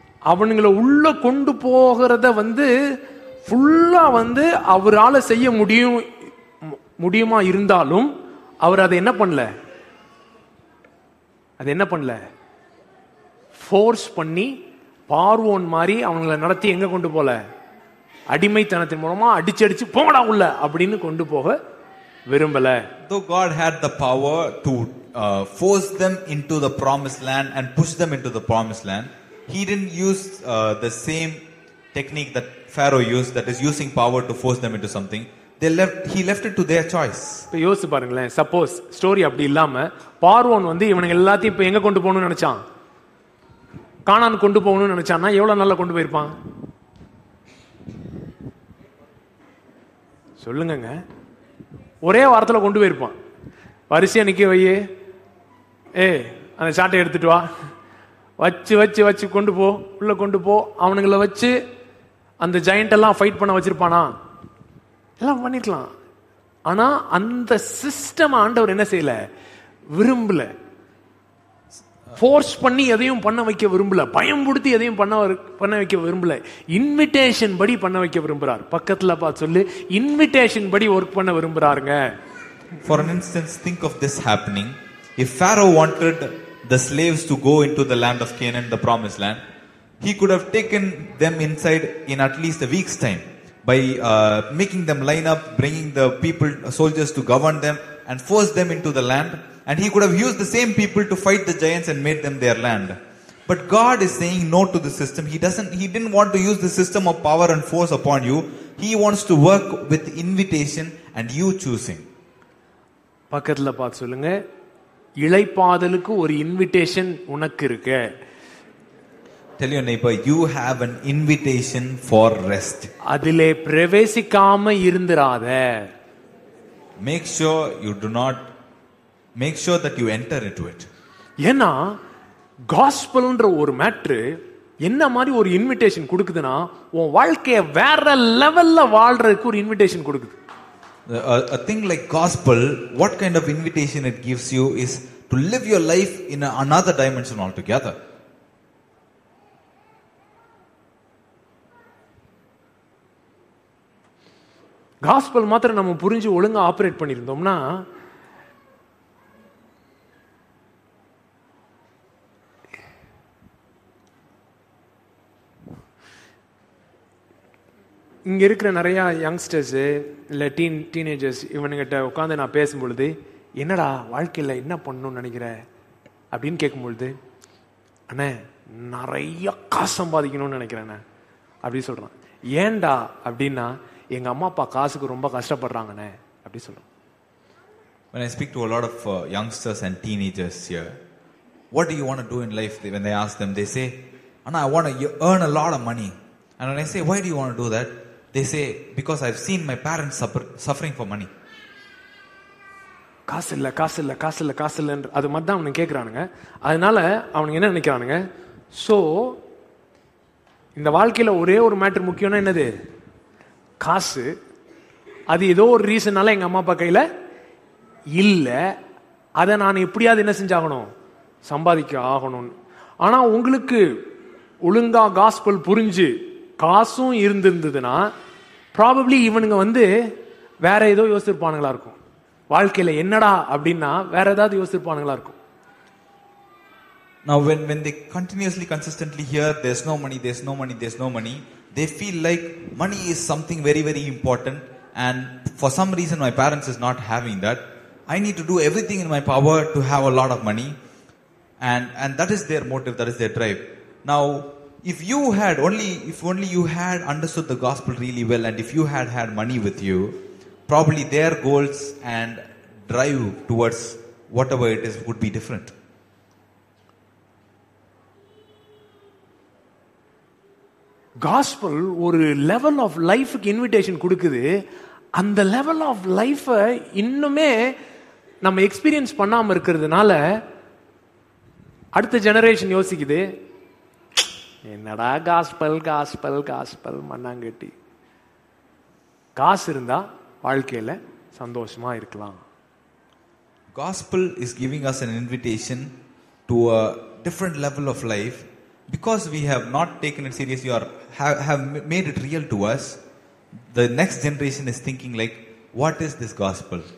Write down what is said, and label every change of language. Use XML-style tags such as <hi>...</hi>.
<ta>அவனுங்களை உள்ள கொண்டு போகிறத வந்து ஃபுல்லா வந்து அவரால் செய்ய முடியும் முடியுமா இருந்தாலும் அவர் அதை என்ன பண்ணல, அதை என்ன பண்ணல, ஃபோர்ஸ் பண்ணி பார்வோன் மாதிரி அவங்களை நடத்தி எங்க கொண்டு போல, அடிமைத்தனத்தின் மூலமா அடிச்சு அடிச்சு போங்கடா உள்ள அப்படின்னு கொண்டு போக விரும்பல.</ta> <en>Though God had the power to force them into the promised land and push them into the promised land, he didn't use the same technique that Pharaoh used, that is using power to force them into something. He left it to their choice.</en> <ta>யோசி பாருங்களே, suppose story அப்படி இல்லாம பார்வோன் வந்து இவங்க எல்லாத்தையும் இப்ப எங்க கொண்டு போகணும்னு நினைச்சான், கானான் கொண்டு போகணும்னு நினைச்சானா எவ்வளவு நல்லா கொண்டு போயிருப்பான் சொல்லுங்க, ஒரே வாரத்துல கொண்டு போயிருப்பான். வரிசையா நிக்க வையே, ஏ அந்த சாட்டை எடுத்துட்டு வா, வச்சு வச்சு வச்சு கொண்டு போ, உள்ள கொண்டு போ, அவனுங்களை வச்சு அந்த ஜெயண்ட் எல்லாம் ஃபைட் பண்ண வச்சிருப்பானா, எல்லாம் பண்ணிக்கலாம். ஆனா அந்த சிஸ்டம் ஆண்டவர் என்ன செய்யல, விரும்பல, ஃபோர்ஸ் பண்ணி எதையும் பண்ண வைக்க விரும்பல, பயம்படுத்தி எதையும் பண்ண வைக்க விரும்பல, இன்விடேஷன் படி பண்ண வைக்க விரும்புறார். பக்கத்துல பா சொல்லு, இன்விடேஷன் படி வர்க் பண்ண விரும்புறாருங்க.</ta> <en>For an instance, think of this happening. If Pharaoh wanted the slaves to go into the land of Canaan, the promised land, he could have taken them inside in at least a week's time by making them line up, bringing the people, soldiers to govern them and force them into the land, and he could have used the same people to fight the giants and made them their land. But God is saying no to the system. He didn't want to use the system of power and force upon you. He wants to work with invitation and you choosing.</en> <ta>பக்கத்துல பாத்து சொல்லுங்க, இளைப்பாதலுக்கு ஒரு invitation உனக்கு இருக்க.</ta> <en>Tell your neighbor, you have an invitation for rest.</en> <ta>அதிலே பிரவேசிக்காம இருந்திராத.</ta> <en>Make sure that you enter into it.</en> <ta>ஏன்னா காஸ்பல்ன்ற ஒரு matter என்ன மாதிரி ஒரு இன்விடேஷன் கொடுக்குதுன்னா, உன் வாழ்க்கையை வேற லெவல்ல வாழ்றதுக்கு ஒரு இன்விடேஷன் கொடுக்குது.</ta> <en>A thing like gospel, what kind of invitation it gives you is to live your life in another dimension altogether.</en> <ta>Gospel matra namu purinju olunga operate panirundomna இங்கே இருக்கிற நிறையா யங்ஸ்டர்ஸு இல்லை டீனேஜர்ஸ் இவனுங்கிட்ட உட்காந்து நான் பேசும்பொழுது, என்னடா வாழ்க்கையில் என்ன பண்ணணும்னு நினைக்கிற அப்படின்னு கேட்கும்பொழுது, அண்ணே நிறையா காசு சம்பாதிக்கணும்னு நினைக்கிறேண்ணே அப்படி சொல்கிறான். ஏண்டா அப்படின்னா, எங்கள் அம்மா அப்பா காசுக்கு ரொம்ப கஷ்டப்படுறாங்கண்ணே அப்படி சொல்கிறான்.</ta> <en>When I speak to a lot of youngsters and teenagers here, what do you want to do in life? When they ask them, they say, அண்ணா, I want to earn a lot of money. And when I say, why do you want to do that? They say, because I've seen my parents suffering for money.</en> <ta>காசு இல்ல காசு இல்ல காசு இல்ல காசு இல்லன்ற அது மாதிரி தான் அவனு கேட்கறானுங்க. அதனால அவனுக்கு என்ன நினைக்கிறானுங்க, ஸோ இந்த வாழ்க்கையில் ஒரே ஒரு மேட்டர் முக்கியம்னா என்னது, காசு. அது ஏதோ ஒரு ரீசனால எங்கள் அம்மா அப்பா கையில் இல்லை, அதை நான் எப்படியாவது என்ன செஞ்சாகணும், சம்பாதிக்க ஆகணும்னு. ஆனால் உங்களுக்கு ஒழுங்கா காஸ்பல் புரிஞ்சு காசும் இருந்திருந்ததுன்னா ப்ராபப்ளி இவனுங்க வந்து வேற ஏதோ யோசிச்சிருப்பானுங்களா இருக்கும், வாழ்க்கையில என்னடா அப்படின்னா வேற ஏதாவது யோசிச்சிருப்பானுங்களா இருக்கும்.</ta> <en>Now when they continuously consistently hear there's no money, they feel like money is something very very important, and for some reason my parents is not having that. I need to do everything in my power to have a lot of money, and that is their motive, that is their drive. Now If only you had understood the gospel really well, and if you had money with you, probably their goals and drive towards whatever it is would be different.</en> <ta>Gospel or level of life ku invitation kudukudu,</ta> <en>and the level of life</en> <ta>innume nam experience pannam irukiradunala adutha generation yosikudhu, என்னடா gospel gospel gospel மண்ணாங்கட்டி. காசு இருந்தா வாழ்க்கையில சந்தோஷமா இருக்கலாம்.</ta> <en>Gospel is giving us an invitation to a different level of life. because we have not taken it seriously or have made it real to us, the next generation is thinking like, what is this gospel?</en>